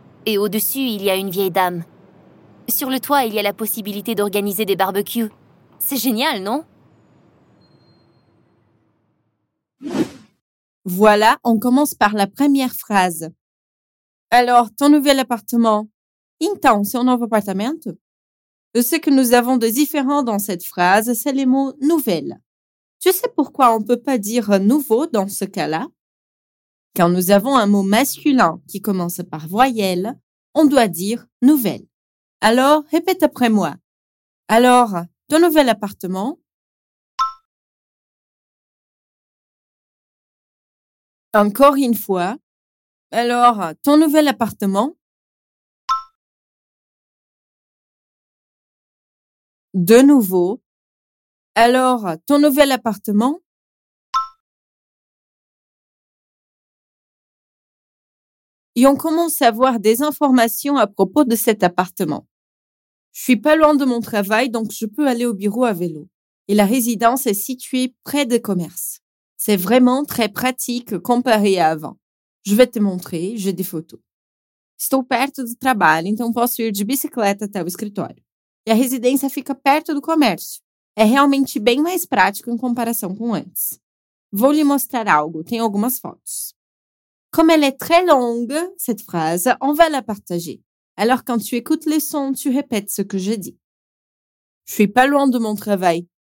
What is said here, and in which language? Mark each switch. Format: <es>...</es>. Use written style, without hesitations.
<fr>Et au-dessus, il y a une vieille dame. Sur le toit, il y a la possibilité d'organiser des barbecues. C'est génial, non ? Voilà, on commence par la première phrase. Alors, ton nouvel appartement ?</fr> <pt>Então, seu novo apartamento ?</pt> <fr>Ce que nous avons de différent dans cette phrase, c'est le mot « nouvelle ». Tu sais pourquoi on ne peut pas dire « nouveau » dans ce cas-là ? Quand nous avons un mot masculin qui commence par voyelle, on doit dire « nouvelle ». Alors, répète après moi. Alors, ton nouvel appartement ? Encore une fois. Alors, ton nouvel appartement ? De nouveau. Alors, ton nouvel appartement ? Et on commence à avoir des informations à propos de cet appartement. Je suis pas loin de mon travail, donc je peux aller au bureau à vélo. Et la résidence est située près des commerces. C'est vraiment très pratique comparé à avant. Je vais te montrer, j'ai des photos.</fr> <pt>Estou perto do trabalho, então posso ir de bicicleta até o escritório. E a residência fica perto do comércio. É realmente bem mais prático em comparação com antes. Vou lhe mostrar algo. Tenho algumas fotos.</pt> <fr>Comme elle est très longue, cette phrase, on va la partager. Alors, quand tu écoutes les sons, tu répètes ce que j'ai dit. Je suis pas loin de mon travail.</fr>